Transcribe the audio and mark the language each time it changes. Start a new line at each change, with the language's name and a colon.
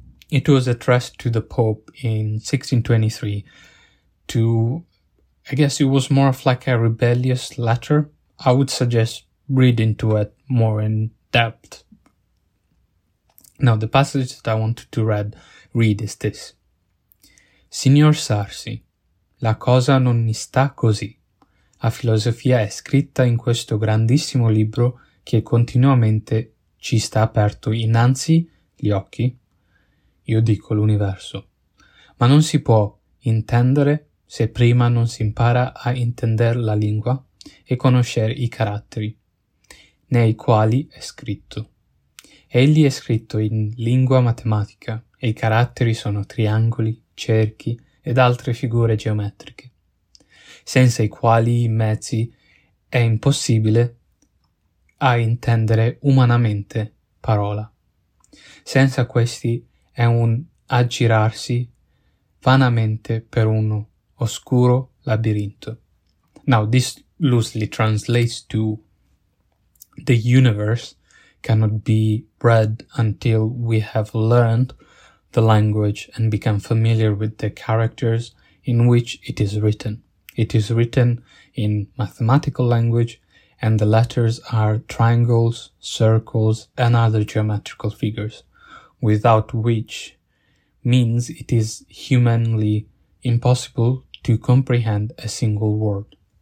English: It was addressed to the Pope in 1623. I guess it was more of like a rebellious letter. I would suggest read into it more in depth. Now, the passage that I wanted to read is this.
Italian: Signor Sarsi, la cosa non mi sta così. La filosofia è scritta in questo grandissimo libro che continuamente ci sta aperto innanzi gli occhi. Io dico l'universo. Ma non si può intendere se prima non si impara a intendere la lingua e conoscere i caratteri nei quali è scritto. Egli è scritto in lingua matematica e i caratteri sono triangoli, cerchi ed altre figure geometriche, senza i quali mezzi è impossibile a intendere umanamente parola. Senza questi è un aggirarsi vanamente per un oscuro labirinto.
English: Now, this loosely translates to the universe cannot be read until we have learned the language and become familiar with the characters in which it is written. It is written in mathematical language, and the letters are triangles, circles, and other geometrical figures, without which means it is humanly impossible to comprehend a single word.